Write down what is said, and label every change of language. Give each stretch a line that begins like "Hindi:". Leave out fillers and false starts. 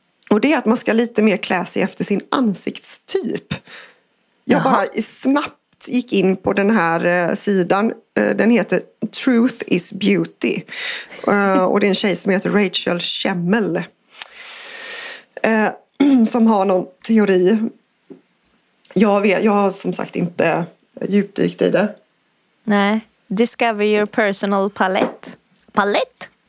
Swedish: Och det är att man ska lite mer klä sig efter sin ansiktstyp. Jag bara snabbt gick in på den här sidan. Den heter Truth is Beauty. Och det är en tjej som heter Rachel Schemmel. Som har någon teori. Jag har som sagt inte djupdykt i det.
English: Nej, discover your personal palette. Palette?